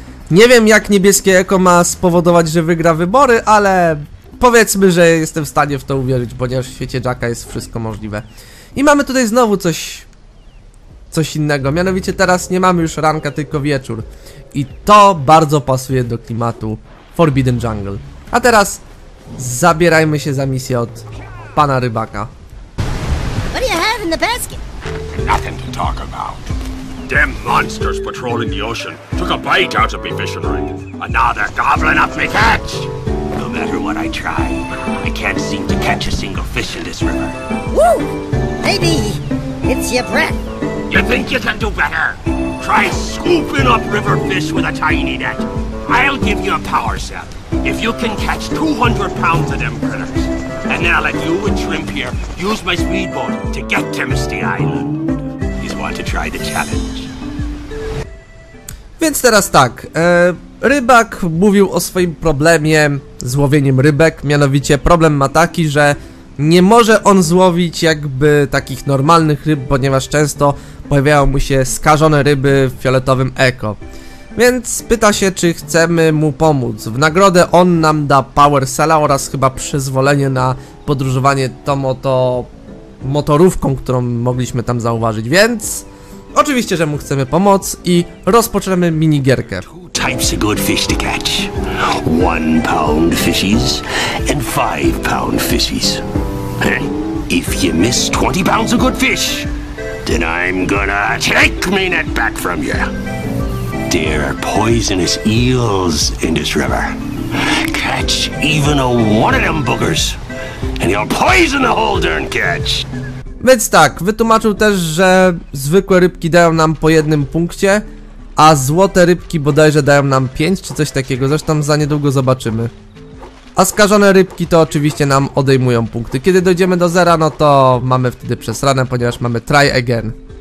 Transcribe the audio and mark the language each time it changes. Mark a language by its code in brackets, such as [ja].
[pl] Nie wiem, jak niebieskie eko ma spowodować, że wygra wybory, ale powiedzmy, że jestem w stanie w to uwierzyć, ponieważ w świecie Jacka jest wszystko możliwe. I mamy tutaj znowu coś innego. Mianowicie teraz nie mamy już ranka, tylko wieczór. I to bardzo pasuje do klimatu Forbidden Jungle. A teraz zabierajmy się za misję od pana rybaka. [en] What do you have in the basket? Nothing to talk about. Them monsters patrolling the ocean took a bite out of me fishing rod, and now they're gobbling up me catch. No matter what I try, I can't seem to catch a single fish in this river. Woo! Maybe it's your breath. You think you can do better? Try scooping up river fish with a tiny net. I'll give you a power cell. If you can catch 200 pounds of them critters, and now let you and Shrimp here use my speedboat to get to Misty Island. He's want to try the challenge. [pl] Więc teraz tak, rybak mówił o swoim problemie z łowieniem rybek, mianowicie problem ma taki, że nie może on złowić jakby takich normalnych ryb, ponieważ często pojawiają mu się skażone ryby w fioletowym eko. Więc pyta się, czy chcemy mu pomóc. W nagrodę on nam da power cella oraz chyba przyzwolenie na podróżowanie tą oto motorówką, którą mogliśmy tam zauważyć. Więc oczywiście, że mu chcemy pomóc i rozpoczniemy minigierkę. [en] Types of good fish to catch. 1 pound fishies and 5 pound fishies. If you miss 20 pounds of good fish, then I'm gonna take my net back from you. There are poisonous eels in this river. Catch even a one of them boogers and you'll poison the whole darn catch. [pl] Więc tak, wytłumaczył też, że zwykłe rybki dają nam po 1 punkcie, a złote rybki bodajże dają nam 5 czy coś takiego, zresztą za niedługo zobaczymy. A skażone rybki to oczywiście nam odejmują punkty. Kiedy dojdziemy do zera, no to mamy wtedy przesrane, ponieważ mamy try again.